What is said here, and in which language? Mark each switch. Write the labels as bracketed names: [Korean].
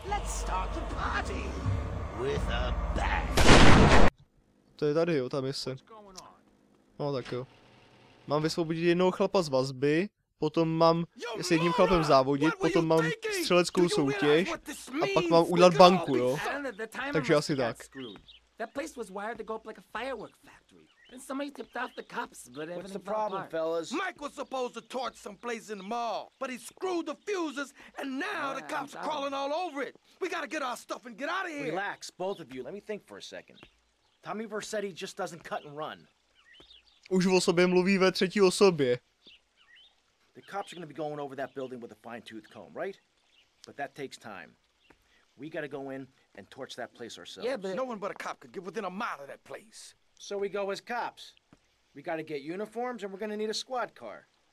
[English] start the party with a bang. [Czech] To je tady, jo, ta mise. No tak jo. Mám vysvobodit jednoho chlapa z vazby, potom mám s jedním chlapem závodit, potom mám střeleckou soutěž a pak mám udělat banku, jo. Takže asi tak. [English] That place was wired to go up like a firework factory. Then somebody tipped off the cops, but everything fell apart. What's the problem, fellas? Mike was supposed to torch some place in the mall, but he screwed the fuses, and now the cops are crawling all over it. We gotta get our stuff and get out of here. Relax, both of you. Let me think for a second. Tommy Vercetti just doesn't cut and run. [Czech] Už o sobě mluví ve třetí osobě. [English] The cops are gonna be going over that building with a fine-tooth comb, right? But that takes time. We gotta go in and torch that place ourselves. Yeah, but no one but a cop could get within a mile of that place. So we go as cops. We gotta get uniforms and we're gonna need a squad car.